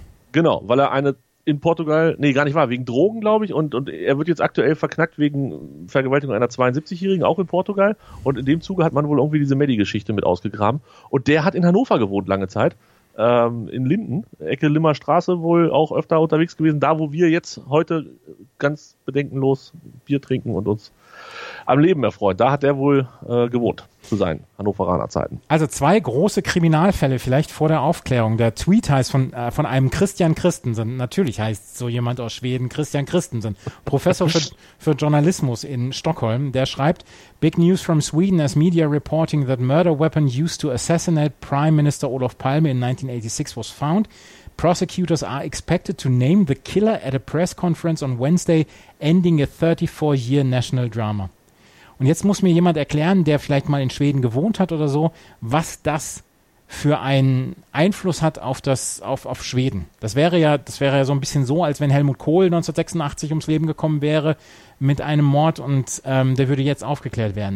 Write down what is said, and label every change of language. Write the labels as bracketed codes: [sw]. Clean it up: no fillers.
[de] Genau, weil er wegen Drogen, glaube ich, und er wird jetzt aktuell verknackt wegen Vergewaltigung einer 72-Jährigen, auch in Portugal, und in dem Zuge hat man wohl irgendwie diese Medi-Geschichte mit ausgegraben, und der hat in Hannover gewohnt lange Zeit, in Linden, Ecke Limmerstraße, wohl auch öfter unterwegs gewesen, da wo wir jetzt heute ganz bedenkenlos Bier trinken und uns am Leben erfreut. Da hat er wohl gewohnt zu seinen Hannoveraner Zeiten. Also 2 große Kriminalfälle vielleicht vor der Aufklärung. Der Tweet heißt von einem Christian Christensen. Natürlich heißt so jemand aus Schweden Christian Christensen. Professor für Journalismus in Stockholm. Der schreibt, [en] Big news from Sweden as media reporting that murder weapon used to assassinate Prime Minister Olof Palme in 1986 was found. Prosecutors are expected to name the killer at a press conference on Wednesday, ending a 34-year national drama. [de] Und jetzt muss mir jemand erklären, der vielleicht mal in Schweden gewohnt hat oder so, was das für einen Einfluss hat auf Schweden. Das wäre ja so ein bisschen so, als wenn Helmut Kohl 1986 ums Leben gekommen wäre mit einem Mord und der würde jetzt aufgeklärt werden.